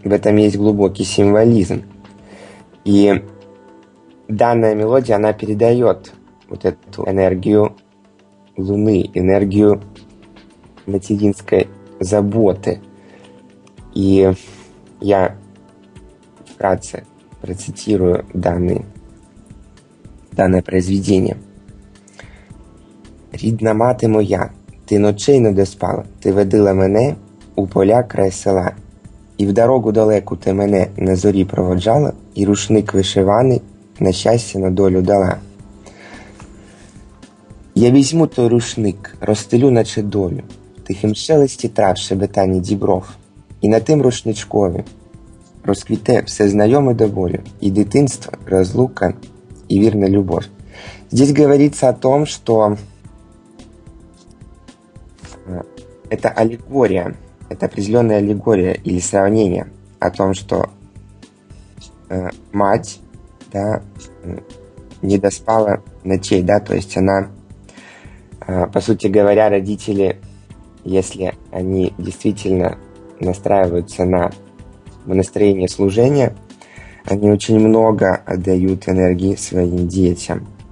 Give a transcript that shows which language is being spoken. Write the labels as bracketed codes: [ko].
[ru] В этом есть глубокий символизм. И данная мелодия, она передает вот эту энергию Луны, энергию материнской заботы. И я вкратце процитирую данное произведение. [uk] «Рідна мати моя, ти ночей не доспала, ти водила мене у поля край села, і в дорогу далеку ти мене на зорі проводжала, і рушник вишиваний на щастя на долю дала». Я візьму той рушник, розстелю, наче долю, в тихім шелесті трав шебетані дібров, і на тим рушничкові розквіте все знайоме до болю, і дитинство, розлука, і вірна любов. [ru] Здесь говорится о том, что это аллегория, это определенная аллегория или сравнение о том, что мать, да, не доспала ночей, да, то есть она, по сути говоря, родители, если они действительно настраиваются на настроение служения, они очень много отдают энергии своим детям.